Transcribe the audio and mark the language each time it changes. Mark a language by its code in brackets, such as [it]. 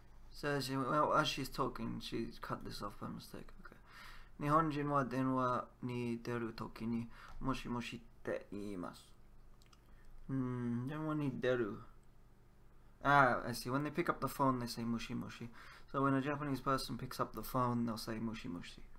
[en] So as she's talking, she cut this off by mistake. Okay. [ja] 日本人は電話に出るときにもしもしって言います。電話に出る。 [en] Ah, I see. When they pick up the phone, they say mushi mushi. So when a Japanese person picks up the phone, they'll say mushi mushi.